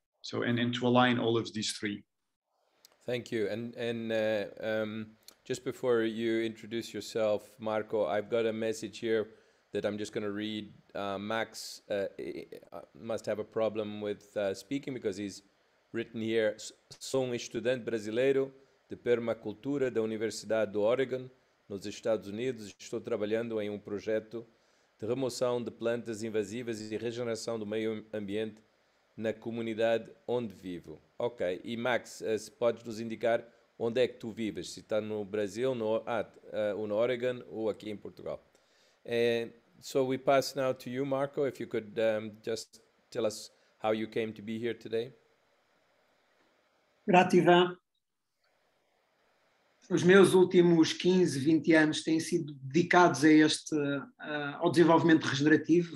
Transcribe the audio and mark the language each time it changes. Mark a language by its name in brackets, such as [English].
[English] So, and to align all of these three. Thank you. And just before you introduce yourself, Marco, I've got a message here that I'm just going to read. Max must have a problem with speaking because he's written here. [Portuguese] Sou estudante brasileiro de permacultura da Universidade do Oregon, nos Estados Unidos. Estou trabalhando em projeto de remoção de plantas invasivas e regeneração do meio ambiente na comunidade onde vivo. Ok. E Max, se podes nos indicar onde é que tu vives? Se está no Brasil, no Oregon ou aqui em Portugal? [English] So we pass now to you, Marco, if you could just tell us how you came to be here today. [Portuguese] Grato, Ivan. Os meus últimos 15, 20 anos têm sido dedicados a este, ao desenvolvimento regenerativo.